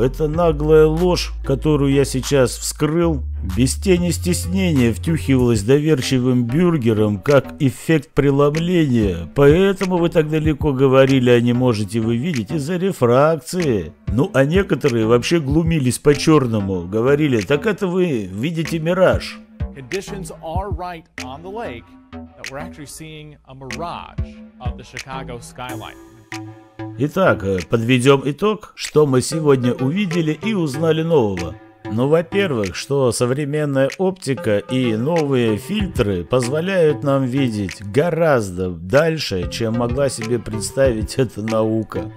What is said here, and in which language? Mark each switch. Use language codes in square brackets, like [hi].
[ru] Это наглая ложь, которую я сейчас вскрыл, без тени стеснения втюхивалась доверчивым бюргерам, как эффект преломления. Поэтому вы так далеко говорили, а не можете вы видеть из-за рефракции. Ну а некоторые вообще глумились по-черному, говорили, так это вы видите мираж. [en] Conditions are right on the lake that we're actually seeing a mirage of the Chicago skyline. [ru] Итак, подведем итог, что мы сегодня увидели и узнали нового. Ну, во-первых, что современная оптика и новые фильтры позволяют нам видеть гораздо дальше, чем могла себе представить эта наука.